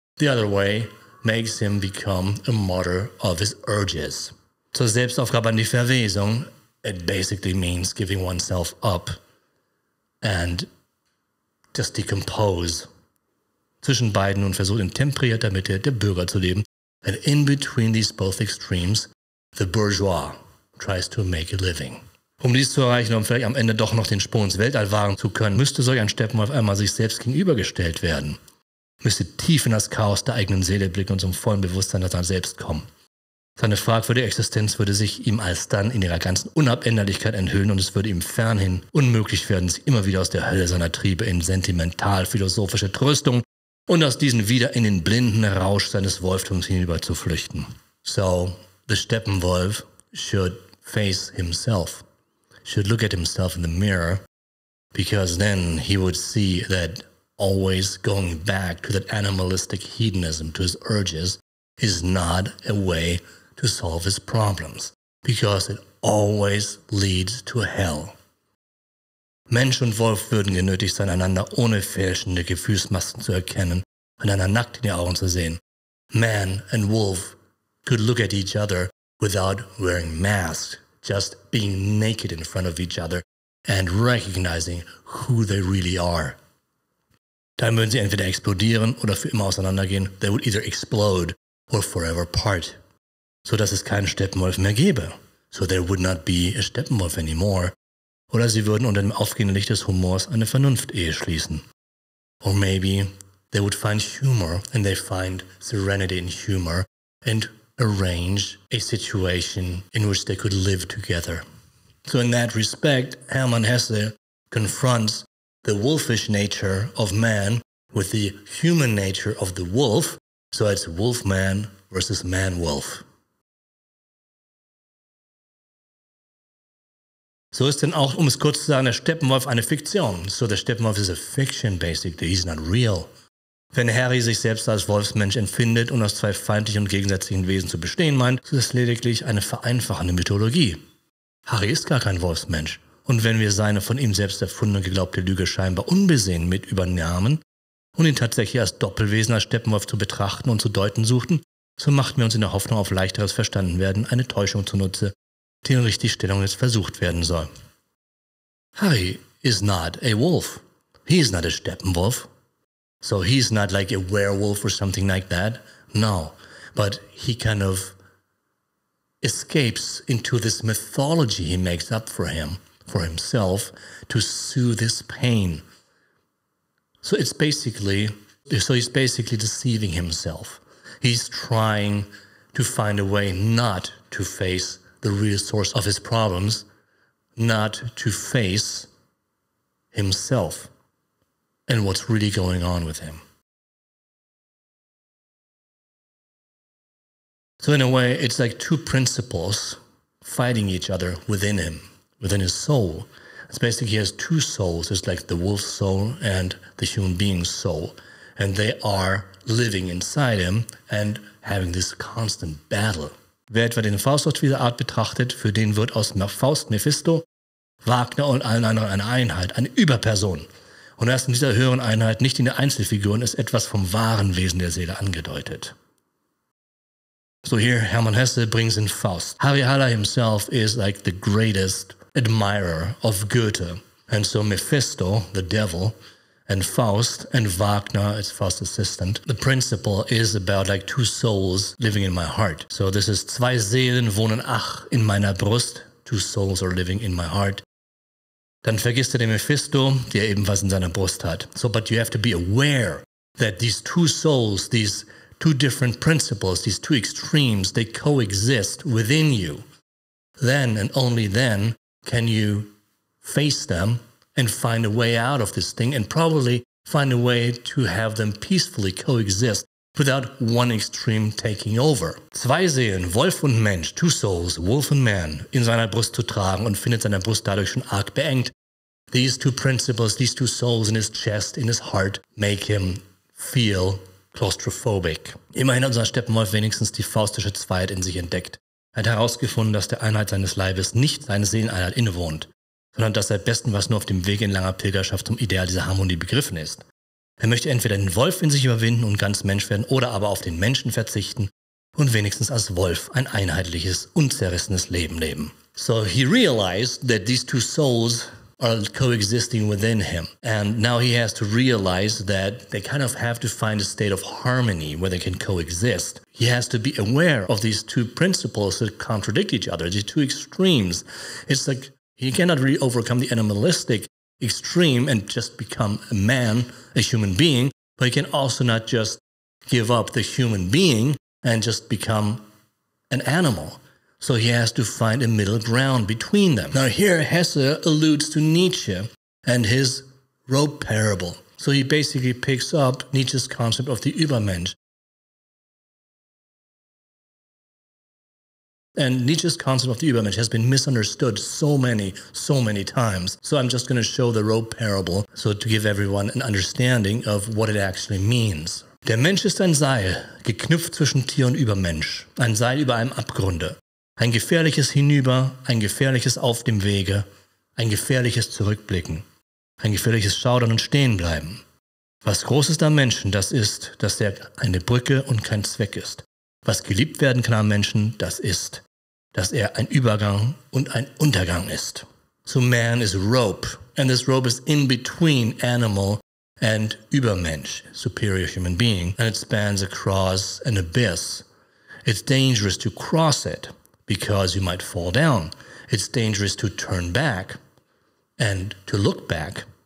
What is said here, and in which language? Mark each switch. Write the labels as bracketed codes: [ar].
[en] The other way makes him become a martyr of his urges. [de] Zur Selbstaufgabe an die Verwesung, [en] it basically means giving oneself up and just decompose. [de] Zwischen beiden und versucht in temperierter Mitte der Bürger zu leben. [en] And in between these both extremes, the bourgeois tries to make a living. [de] Um dies zu erreichen und vielleicht am Ende doch noch den Sprung ins Weltall wahren zu können, müsste solch ein Steppenwolf einmal sich selbst gegenübergestellt werden. Müsste tief in das Chaos der eigenen Seele blicken und zum vollen Bewusstsein seiner selbst kommen. Seine fragwürdige Existenz würde sich ihm alsdann in ihrer ganzen Unabänderlichkeit enthüllen und es würde ihm fernhin unmöglich werden, sich immer wieder aus der Hölle seiner Triebe in sentimental-philosophische Tröstung und aus diesen wieder in den blinden Rausch seines Wolftums hinüber zu flüchten. [en] So, the Steppenwolf should face himself. Should look at himself in the mirror, because then he would see that always going back to that animalistic hedonism, to his urges, is not a way to solve his problems, because it always leads to hell. [de] Mensch und Wolf würden genötigt sein, einander ohne fälschende Gefühlsmasken zu erkennen und einander nackt in die Augen zu sehen. [en] Man and wolf could look at each other without wearing masks. Just being naked in front of each other and recognizing who they really are. [de] Dann würden sie entweder explodieren oder für immer auseinandergehen. [en] They would either explode or forever part. [de] So dass es keinen Steppenwolf mehr gäbe. [en] So there would not be a Steppenwolf anymore. [de] Oder sie würden unter dem aufgehenden Licht des Humors eine Vernunft-Ehe schließen. [en] Or maybe they would find humor and they find serenity in humor and arrange a situation in which they could live together. So in that respect, Hermann Hesse confronts the wolfish nature of man with the human nature of the wolf, so it's wolf-man versus man-wolf. [de] So ist denn auch, um es kurz zu sagen, der Steppenwolf eine Fiktion. [en] So the Steppenwolf is a fiction, basically. He's not real. [de] Wenn Harry sich selbst als Wolfsmensch empfindet und aus zwei feindlichen und gegensätzlichen Wesen zu bestehen meint, ist es lediglich eine vereinfachende Mythologie. Harry ist gar kein Wolfsmensch. Und wenn wir seine von ihm selbst erfundene und geglaubte Lüge scheinbar unbesehen mit übernahmen und ihn tatsächlich als Doppelwesen, als Steppenwolf zu betrachten und zu deuten suchten, so machten wir uns in der Hoffnung auf leichteres Verstandenwerden eine Täuschung zunutze, die in Richtigstellung jetzt versucht werden soll. [en] Harry is not a wolf. He is not a Steppenwolf. So he's not like a werewolf or something like that, no. But he kind of escapes into this mythology he makes up for him, for himself, to soothe his pain. So it's basically, he's basically deceiving himself. He's trying to find a way not to face the real source of his problems, not to face himself. And what's really going on with him. So in a way, it's like two principles fighting each other within him, within his soul. It's basically he has two souls. It's like the wolf's soul and the human being's soul. And they are living inside him and having this constant battle. [de] Wer etwa den Faust auf diese Art betrachtet, für den wird aus Faust, Mephisto, Wagner und allen anderen eine Einheit, eine Überperson. Und erst in dieser höheren Einheit, nicht in der Einzelfiguren, ist etwas vom wahren Wesen der Seele angedeutet. [en] So here, Hermann Hesse brings in Faust. Harry Haller himself is like the greatest admirer of Goethe. And so Mephisto, the devil, and Faust and Wagner as Faust's assistant. The principle is about like two souls living in my heart. So this is [de] zwei Seelen wohnen ach in meiner Brust. [en] Two souls are living in my heart. [de] Dann vergisst er den Mephisto, der ebenfalls in seiner Brust hat. [en] So, but you have to be aware that these two souls, these two different principles, these two extremes, they coexist within you. Then and only then can you face them and find a way out of this thing and probably find a way to have them peacefully coexist without one extreme taking over. [de] Zwei Seelen, Wolf und Mensch, [en] two souls, wolf and man, [de] in seiner Brust zu tragen und findet seine Brust dadurch schon arg beengt. [en] These two principles, these two souls in his chest, in his heart, make him feel claustrophobic. [de] Immerhin hat unser Steppenwolf wenigstens die faustische Zweiheit in sich entdeckt. Er hat herausgefunden, dass der Einheit seines Leibes nicht seine Seeleneinheit innewohnt, sondern dass er bestenfalls nur auf dem Weg in langer Pilgerschaft zum Ideal dieser Harmonie begriffen ist. Er möchte entweder den Wolf in sich überwinden und ganz Mensch werden oder aber auf den Menschen verzichten und wenigstens als Wolf ein einheitliches, unzerrissenes Leben leben. [en] So he realized that these two souls are coexisting within him. And now he has to realize that they kind of have to find a state of harmony where they can coexist. He has to be aware of these two principles that contradict each other, these two extremes. It's like he cannot really overcome the animalistic extreme and just become a man, a human being, but he can also not just give up the human being and just become an animal. So he has to find a middle ground between them. Now here Hesse alludes to Nietzsche and his rope parable. So he basically picks up Nietzsche's concept of the Übermensch. And Nietzsche's concept of the Übermensch has been misunderstood so many times. So I'm just going to show the rope parable so to give everyone an understanding of what it actually means. [de] Der Mensch ist ein Seil, geknüpft zwischen Tier und Übermensch. Ein Seil über einem Abgrunde. Ein gefährliches Hinüber, ein gefährliches Auf dem Wege, ein gefährliches Zurückblicken, ein gefährliches Schaudern und Stehenbleiben. Was groß ist am Menschen, das ist, dass er eine Brücke und kein Zweck ist. Was geliebt werden kann am Menschen, das ist, dass er ein Übergang und ein Untergang ist. [en] So man is rope, and this rope is in between animal and Übermensch, superior human being, and it spans across an abyss. It's dangerous to cross it. Because you might fall down. It's dangerous to turn back and to look back.